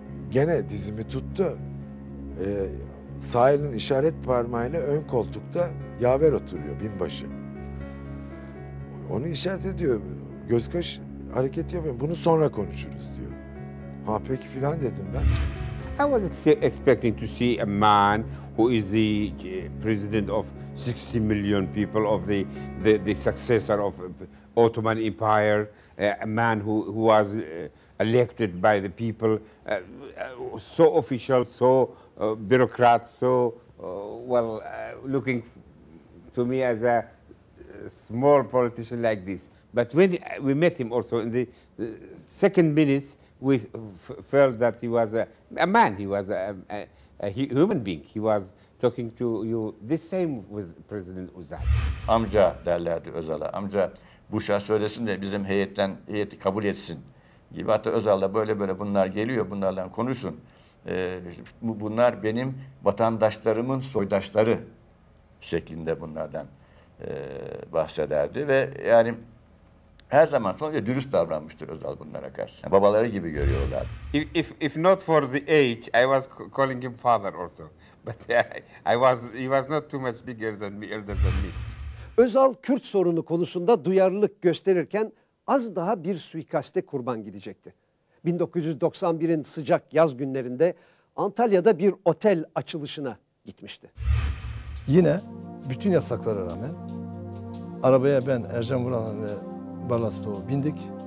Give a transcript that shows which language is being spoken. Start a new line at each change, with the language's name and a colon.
Turkish: Gene dizimi tuttu. Sahil'in işaret parmağıyla ön koltukta Yaver oturuyor, binbaşı. Onu işaret ediyor, göz kaş hareketi yapıyor. Bunu sonra konuşuruz diyor. Ha peki filan dedim ben.
English: I was expecting to see a man who is the president of 60 million people, of the successor of Ottoman Empire, a man who was elected by the people, so official, so bureaucrat, so looking to me as a small politician like this. But when we met him also in the second minutes, we felt that he was a man, he was a human being. He was talking to you the same with President Özal.
Turkish: Amca derlerdi Özal'a, amca Bush'a söylesin de bizim heyeti kabul etsin gibi. Hatta Özal'la böyle bunlar geliyor, bunlarla konuşun. Bunlar benim vatandaşlarımın soydaşları şeklinde bunlardan bahsederdi. Ve yani her zaman sonuçta dürüst davranmıştır Özal bunlara karşı. Yani babaları gibi görüyorlar.
English: If not for the age, I was calling him father also. But he was not too much bigger than me, elder than me.
Turkish: Özal Kürt sorunu konusunda duyarlılık gösterirken az daha bir suikaste kurban gidecekti. 1991'in sıcak yaz günlerinde Antalya'da bir otel açılışına gitmişti. Yine bütün yasaklara rağmen arabaya ben, Ercan Vural'ın ve Balastoğlu bindik.